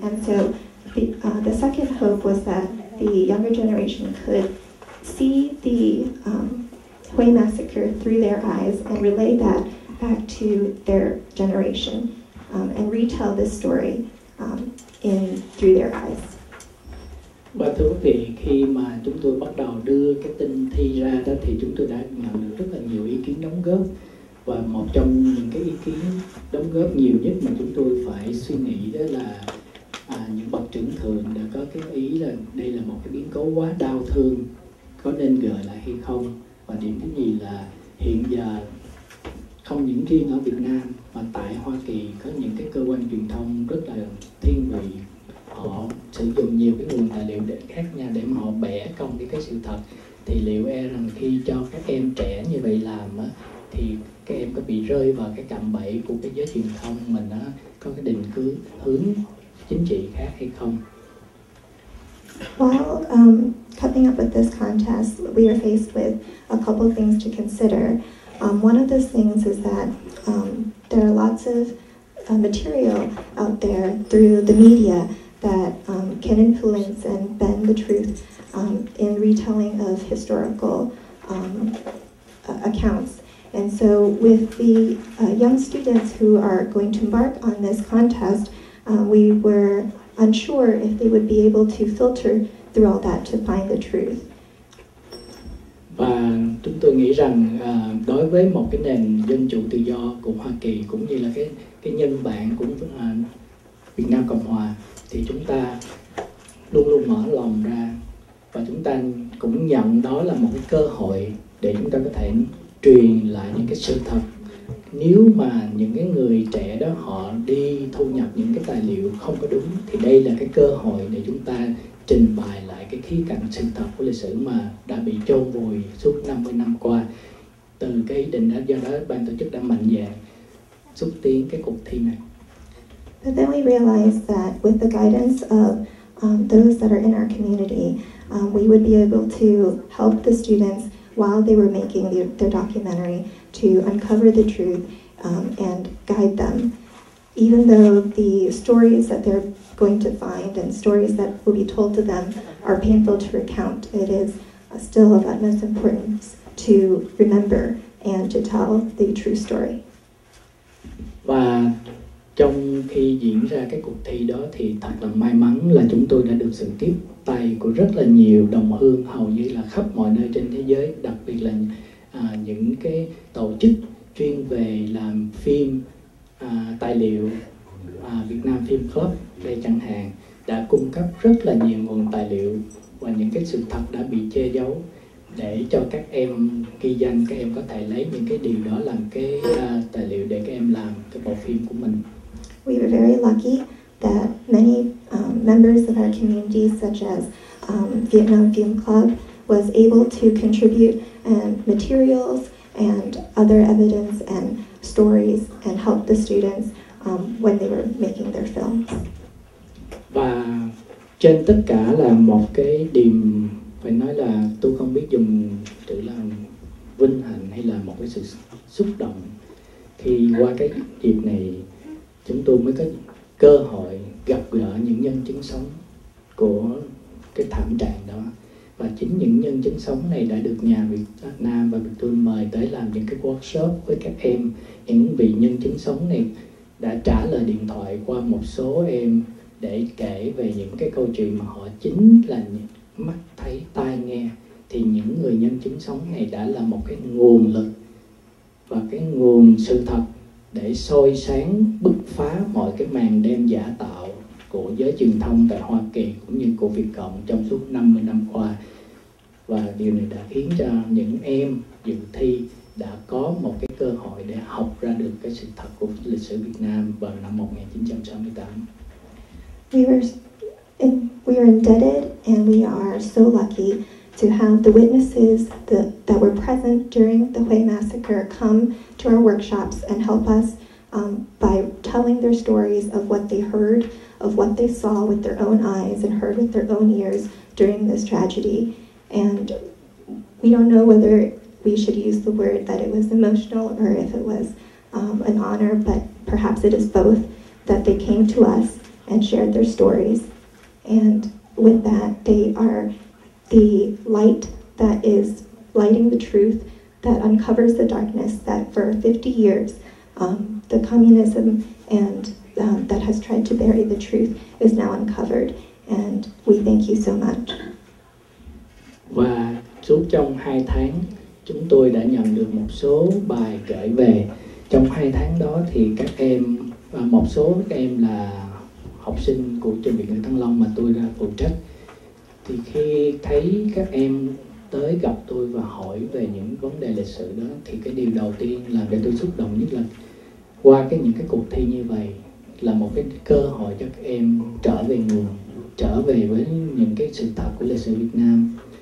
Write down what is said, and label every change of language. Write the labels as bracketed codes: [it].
[en] And so the second hope was that the younger generation could see the Hue massacre through their eyes and relay that back to their generation and retell this story through their eyes. [vi] Và thưa quý vị, khi mà chúng tôi bắt đầu đưa cái tin thi ra đó thì chúng tôi đã nhận được rất là nhiều ý kiến đóng góp. Và một trong những cái ý kiến đóng góp nhiều nhất mà chúng tôi phải suy nghĩ đó là những bậc trưởng thượng đã có cái ý là đây là một cái biến cố quá đau thương, có nên gửi lại hay không. Và điểm thứ nhì là hiện giờ không những riêng ở Việt Nam mà tại Hoa Kỳ có những cái cơ quan truyền thông rất là thiên vị, họ sử dụng nhiều cái nguồn tài liệu khác nhau để mà họ bẻ cong cái sự thật, thì liệu e rằng khi cho các em trẻ như vậy làm á thì các em có bị rơi vào cái cạm bẫy của cái giới truyền thông mình á, có cái định hướng chính trị khác hay không? [en] Well, coming up with this contest, we are faced with a couple things to consider. One of those things is that there are lots of material out there through the media that can influence and bend the truth in retelling of historical accounts. And so with the young students who are going to embark on this contest, we were unsure if they would be able to filter through all that to find the truth. [vi] Và chúng tôi nghĩ rằng đối với một cái nền dân chủ tự do của Hoa Kỳ cũng như là cái nhân bản của Việt Nam Cộng Hòa thì chúng ta luôn luôn mở lòng ra và chúng ta cũng nhận đó là một cái cơ hội để chúng ta có thể truyền lại những cái sự thật. Nếu mà những cái người trẻ đó họ đi thu nhập những cái tài liệu không có đúng thì đây là cái cơ hội để chúng ta trình bày lại cái khía cạnh sự thật của lịch sử mà đã bị chôn vùi suốt 50 năm qua. Từ cái ý định đó, do đó ban tổ chức đã mạnh dạn xúc tiến cái cuộc thi này. [en] But then we realized that with the guidance of those that are in our community, we would be able to help the students while they were making their documentary to uncover the truth and guide them. Even though the stories that they're going to find and stories that will be told to them are painful to recount, it is still of utmost importance to remember and to tell the true story. [vi] Và trong khi diễn ra cái cuộc thi đó thì thật là may mắn là chúng tôi đã được sự tiếp tay của rất là nhiều đồng hương hầu như là khắp mọi nơi trên thế giới, đặc biệt là những cái tổ chức chuyên về làm phim tài liệu, Việt Nam Film Club đây chẳng hạn, đã cung cấp rất là nhiều nguồn tài liệu và những cái sự thật đã bị che giấu để cho các em ghi danh, các em có thể lấy những cái điều đó làm cái tài liệu để các em làm cái bộ phim của mình. [en] We were very lucky that many members of our community, such as Vietnam Film Club, was able to contribute materials and other evidence and stories and help the students when they were making their films. [vi] Và trên tất cả là một cái điểm phải nói là tôi không biết dùng từ là vinh hạnh hay là một cái sự xúc động khi qua cái dịp này chúng tôi mới có cơ hội gặp gỡ những nhân chứng sống của cái thảm trạng đó. Và chính những nhân chứng sống này đã được nhà Việt Nam và Việt Tôn mời tới làm những cái workshop với các em. Những vị nhân chứng sống này đã trả lời điện thoại qua một số em để kể về những cái câu chuyện mà họ chính là mắt thấy, tai nghe. Thì những người nhân chứng sống này đã là một cái nguồn lực và cái nguồn sự thật để soi sáng, bứt phá mọi cái màn đen giả tạo của giới truyền thông tại Hoa Kỳ cũng như của Việt Cộng trong suốt 50 năm qua. Và điều này đã khiến cho những em dự thi đã có một cái cơ hội để học ra được cái sự thật của lịch sử Việt Nam vào năm 1968. [en] We are indebted and we are so lucky to have the witnesses that were present during the Hue massacre come to our workshops and help us by telling their stories of what they heard, of what they saw with their own eyes and heard with their own ears during this tragedy. And we don't know whether we should use the word that it was emotional or if it was an honor, but perhaps it is both, that they came to us and shared their stories. And with that, they are the light that is lighting the truth, that uncovers the darkness that for 50 years the communism and that has tried to bury the truth is now uncovered. And we thank you so much. [vi] Và suốt trong 2 tháng chúng tôi đã nhận được một số bài gửi về. Trong 2 tháng đó thì các em và một số các em là học sinh của trường Việt Nam Thăng Long mà tôi đã phụ trách. Thì khi thấy các em tới gặp tôi và hỏi về những vấn đề lịch sử đó thì cái điều đầu tiên làm cho tôi xúc động nhất là qua cái những cái cuộc thi như vậy là một cái cơ hội cho các em trở về nguồn, trở về với những cái sự thật của lịch sử Việt Nam.